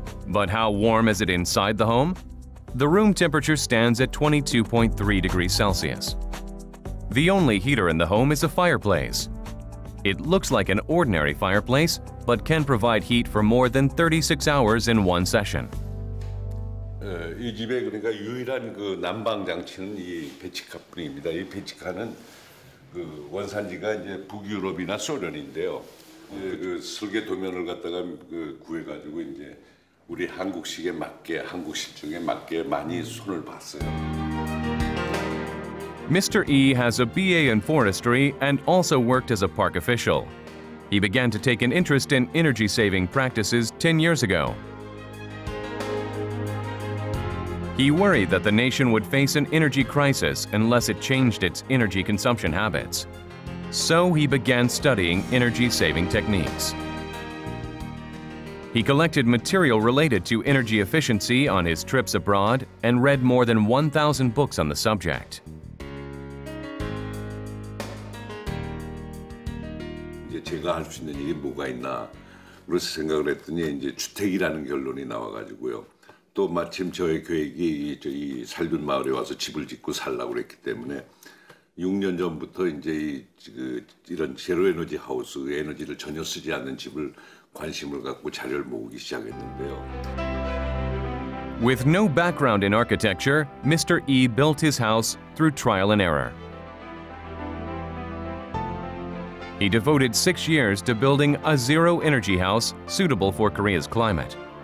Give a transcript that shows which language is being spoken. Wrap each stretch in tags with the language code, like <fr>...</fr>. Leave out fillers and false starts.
<en>But how warm is it inside the home? The room temperature stands at 22.3 degrees Celsius. The only heater in the home is a fireplace. It looks like an ordinary fireplace, but can provide heat for more than 36 hours in one session.</en> <ko>이 집에 그러니까 유일한 그 난방 장치는 이 배치카뿐입니다. 이 배치카는 그 원산지가 이제 북유럽이나 소련인데요. 그 설계 도면을 갖다가 그 구해가지고 이제 우리 한국식에 맞게 한국식 중에 맞게 많이 손을 봤어요.</ko> <en>Mr. E has a BA in forestry and also worked as a park official. He began to take an interest in energy-saving practices 10 years ago. He worried that the nation would face an energy crisis unless it changed its energy consumption habits. So he began studying energy-saving techniques. He collected material related to energy efficiency on his trips abroad and read more than 1,000 books on the subject.</en> <ko>제가 할 수 있는 일이 뭐가 있나 그래서 생각을 했더니 이제 주택이라는 결론이 나와가지고요. 또 마침 저의 계획이 저희 살던 마을에 와서 집을 짓고 살라고 했기 때문에 6년 전부터 이제 이런 제로에너지 하우스 에너지를 전혀 쓰지 않는 집을 관심을 갖고 자료를 모으기 시작했는데요.</ko> <en>With no background in architecture, Mr. E built his house through trial and error. He devoted 6 years to building a zero-energy house suitable for Korea's climate.</en>